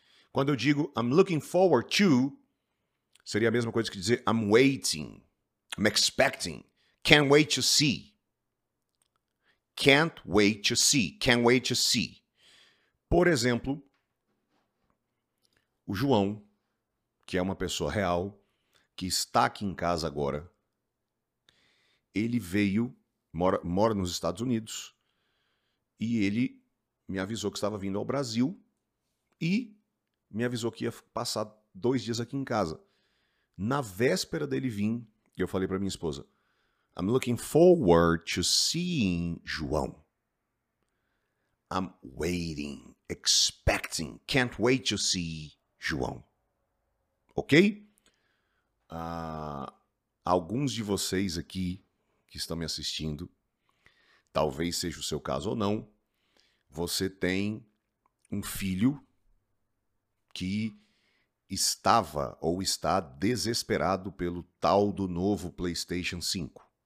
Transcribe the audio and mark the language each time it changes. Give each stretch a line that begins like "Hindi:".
Portuguese: Quando eu digo
English: I'm looking forward to,
Portuguese: seria a mesma coisa que dizer
English: I'm waiting, I'm expecting, can't wait to see. Can't wait to see, can't wait to see.
Portuguese: Por exemplo, o João, que é uma pessoa real, que está aqui em casa agora, ele veio, mora nos Estados Unidos, e ele me avisou que estava vindo ao Brasil e me avisou que ia passar 2 dias aqui em casa. Na véspera dele vir, eu falei para minha esposa,
English: I'm looking forward to seeing
Portuguese: João.
English: I'm waiting, expecting, can't wait to see João. Ok?
Portuguese: Alguns de vocês aqui que estão me assistindo, talvez seja o seu caso ou não, você tem um filho que estava ou está desesperado pelo tal do novo PlayStation 5.